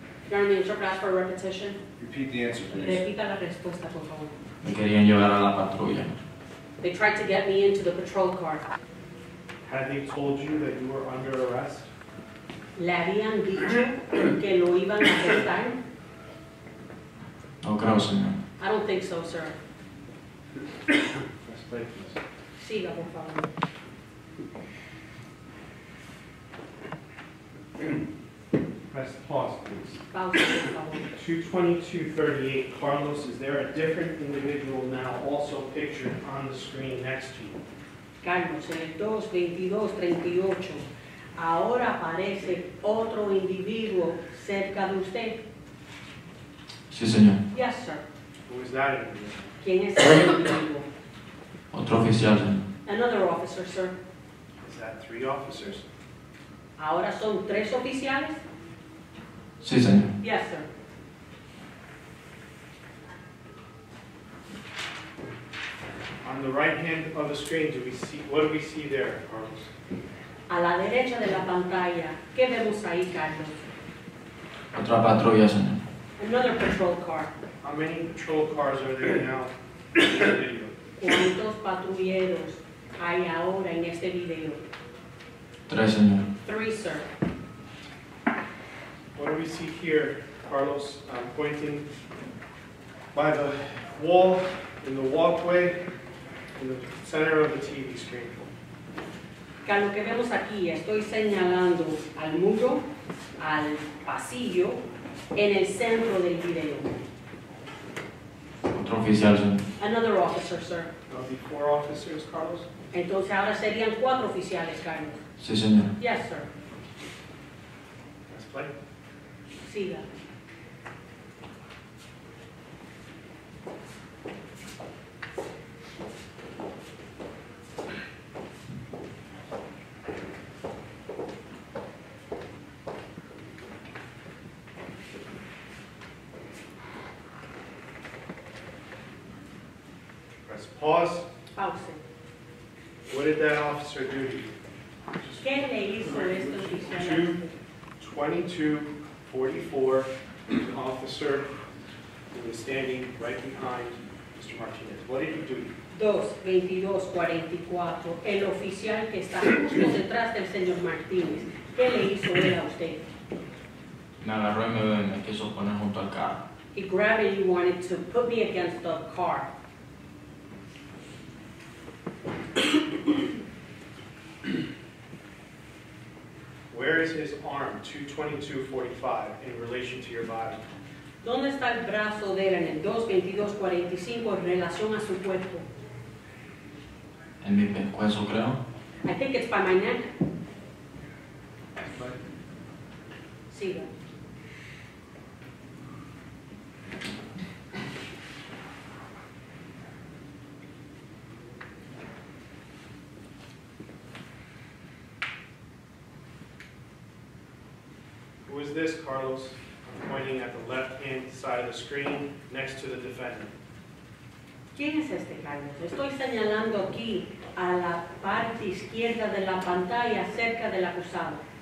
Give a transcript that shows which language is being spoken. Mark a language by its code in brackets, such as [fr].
[en] Your Honor, the interpreter asked for a repetition. Repeat the answer, please. [es] Repita la respuesta, por favor. Me querían llevar a la patrulla. [en] They tried to get me into the patrol car. Had they told you that you were under arrest? [es] ¿Le habían dicho que lo iban a arrestar? No creo, señor. [en] I don't think so, sir. Let's play, please. [es] Siga, por favor. [en] Press pause, please. Pause. 222.38. Carlos, is there a different individual now also pictured on the screen next to you? [es] Carlos, en el 222.38, ¿ahora aparece otro individuo cerca de usted? Sí, señor. [en] Yes, sir. Who is that individual? [es] ¿Quién es ese individuo? Otro oficial, señor. [en] Another officer, sir. Is that three officers? [es] ¿Ahora son tres oficiales? Sí, señor. [en] Yes, sir. On the right hand of the screen, do we see, what do we see there, Carlos? [es] A la derecha de la pantalla, ¿qué vemos ahí, Carlos? Otra patrulla, señor. [en] Another patrol car. How many patrol cars are there now? [es] ¿Cuántos patrulleros hay ahora en este video? Tres, señor. [en] Three, sir. What do we see here, Carlos? I'm pointing by the wall, in the walkway, in the center of the TV screen. [es] Carlos, ¿qué vemos aquí? Estoy señalando al muro, al pasillo, en el centro del video. Otro oficial, señor. [en] Another officer, sir. That'll be four officers, Carlos. [es] Entonces ahora serían cuatro oficiales, Carlos. Sí, señor. [en] Yes, sir. Let's play. [es] Siga. [en] Pause. Pause. What did that officer do to you? [es] ¿Qué le hizo esto? [en] 22-44, the officer who was standing right behind Mr. Martinez. What did he do to you? [es] 22-44, el oficial que está justo detrás del señor Martinez. ¿Qué le hizo él a usted? Me agarró y me quiso poner junto al carro. [en] He grabbed it, he wanted to put me against the car. Where is his arm, 22-45, in relation to your body? [es] ¿Dónde está el brazo de él en el 22-45 en relación a su cuerpo? En mi pescuezo, creo. [en] I think it's by my neck. [es] Siga. [en] Who is this, Carlos? I'm pointing at the left-hand side of the screen, next to the defendant. [es] ¿Quién es este, Carlos? Estoy señalando aquí a la parte izquierda de la pantalla, cerca del acusado.